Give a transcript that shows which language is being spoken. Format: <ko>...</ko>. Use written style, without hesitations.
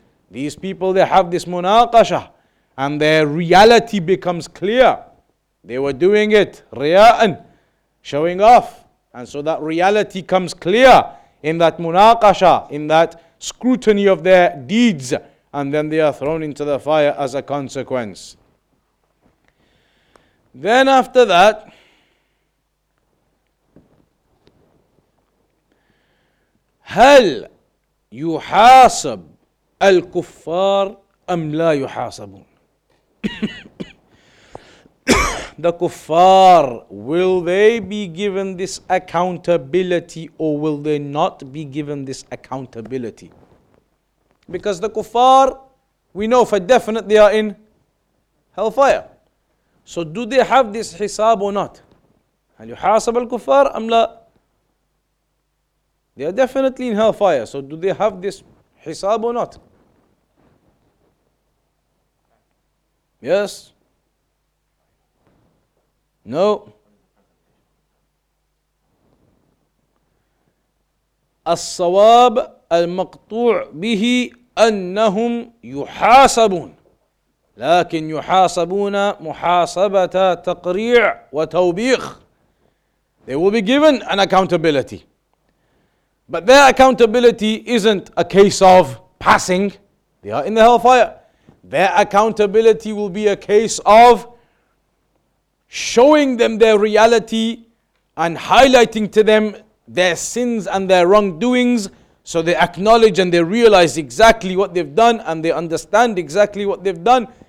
<en>These people, they have this munaqasha, and their reality becomes clear. They were doing it, ria'an, showing off. And so that reality comes clear in that munaqasha, in that scrutiny of their deeds. And then they are thrown into the fire as a consequence. Then after that,</en> <ar>هل يحاسب الكفار أم لا يحاسبون.</ar> <en>the kuffar, will they be given this accountability or will they not be given this accountability? Because the kuffar, we know for definite they are in hellfire. So do they have this hisab or not?</en> <ar>Hal yuhasab al kuffar am la?</ar> <en>They are definitely in hellfire. So do they have this hisab or not? Yes? No?</en> <ar>As-sawab al-maqtu' bihi annahum yuhasabun. لكن يحاسبون محاسبة تقريع وتوبيخ.</ar> <en>They will be given an accountability. But their accountability isn't a case of passing. They are in the hellfire. Their accountability will be a case of showing them their reality and highlighting to them their sins and their wrongdoings, so they acknowledge and they realize exactly what they've done and they understand exactly what they've done.</en>